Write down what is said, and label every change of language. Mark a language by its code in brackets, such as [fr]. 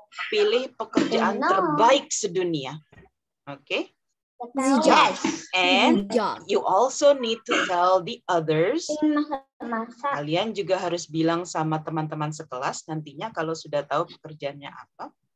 [id] Pilih pekerjaan terbaik sedunia. [en] Okay? Yes. And you also need to tell the others. [id] Kalian juga harus bilang sama teman-teman sekelas nantinya kalau sudah tahu pekerjaannya apa.